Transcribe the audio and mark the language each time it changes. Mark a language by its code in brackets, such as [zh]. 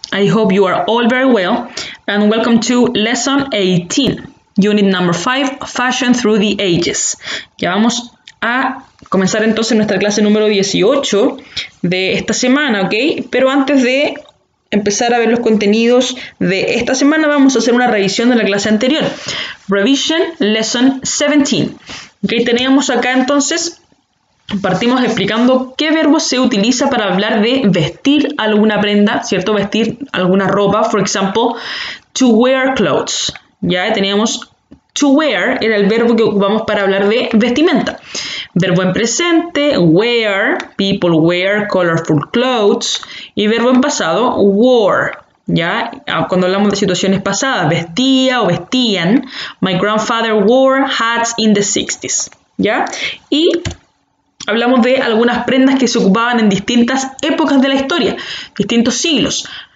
[en] I hope you are all very well, and welcome to lesson 18, unit number 5, Fashion Through the Ages. [es] Ya vamos a comenzar entonces nuestra clase número 18 de esta semana, ¿ok? Pero antes de empezar a ver los contenidos de esta semana, vamos a hacer una revisión de la clase anterior. [en] Revision Lesson 17. [es] ¿Ok? Teníamos acá entonces... Partimos explicando qué verbo se utiliza para hablar de vestir alguna prenda, ¿cierto? Vestir alguna ropa, [en] for example, to wear clothes. [es] Ya teníamos [en] to wear, [es] era el verbo que ocupamos para hablar de vestimenta. Verbo en presente, [en] wear, people wear colorful clothes. [es] Y verbo en pasado, wore. Ya, cuando hablamos de situaciones pasadas, vestía o vestían. [en] My grandfather wore hats in the 60s. Ya, y... [es] Hablamos de algunas prendas que se ocupaban en distintas épocas de la historia, distintos siglos.